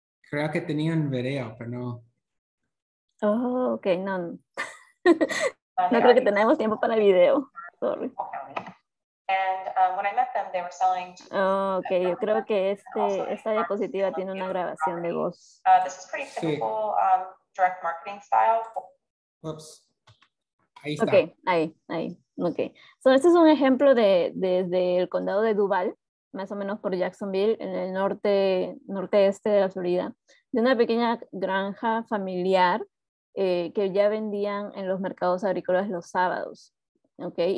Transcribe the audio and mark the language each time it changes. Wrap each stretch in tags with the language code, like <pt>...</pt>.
<es>Creo que tenía un video, pero no.</es> <en>Oh, okay, no.</en> <es>No creo que tenemos tiempo para el video.</es> <en>Sorry. And when I met them, they were selling. Oh, okay.</en> <es>Yo creo que esta diapositiva tiene una grabación de voz.</es> <en>This is pretty typical direct marketing style.</en> <es>Oops. Ahí está. Okay, ahí. Okay. So este es un ejemplo de el condado de Duval, más o menos por Jacksonville, en el norteeste de la Florida, de una pequeña granja familiar que ya vendían en los mercados agrícolas los sábados. Okay.</es>